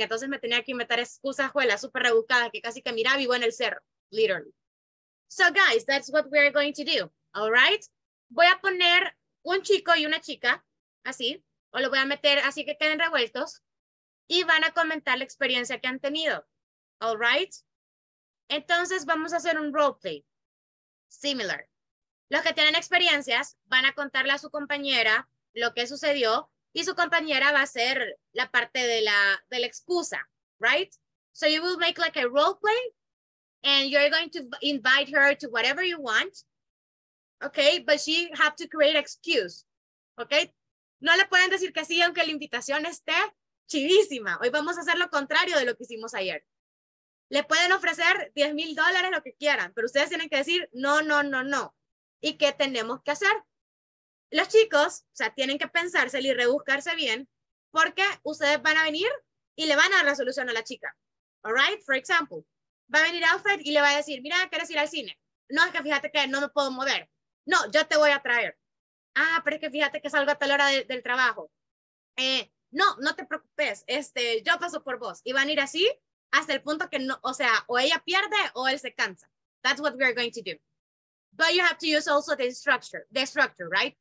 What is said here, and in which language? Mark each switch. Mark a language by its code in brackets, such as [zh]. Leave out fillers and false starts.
[es] Entonces me tenía que inventar excusas, juelas, súper rebuscadas, que casi que miraba vivo en el cerro, [en] literally. So guys, that's what we are going to do, all right? [es] Voy a poner un chico y una chica, así, o lo voy a meter así que queden revueltos, y van a comentar la experiencia que han tenido, [en] all right? [es] Entonces vamos a hacer un roleplay, similar. Los que tienen experiencias van a contarle a su compañera lo que sucedió y su compañera va a ser la parte de la excusa, right? [en] So you will make like a role play and you're going to invite her to whatever you want, okay? But she have to create excuse, okay? [es] No le pueden decir que sí aunque la invitación esté chidísima. Hoy vamos a hacer lo contrario de lo que hicimos ayer. Le pueden ofrecer $10,000, lo que quieran, pero ustedes tienen que decir no, no, no, no. ¿Y qué tenemos que hacer? Los chicos, o sea, tienen que pensárselo y rebuscarse bien porque ustedes van a venir y le van a dar la solución a la chica. [en] All right? For example, [es] va a venir Alfred y le va a decir, mira, ¿quieres ir al cine? No, es que fíjate que no me puedo mover. No, yo te voy a traer. Ah, pero es que fíjate que salgo a tal hora del trabajo. No, no te preocupes. Yo paso por vos. Y van a ir así hasta el punto que, no, o sea, o ella pierde o él se cansa. [en] That's what we are going to do. But you have to use also the structure, right?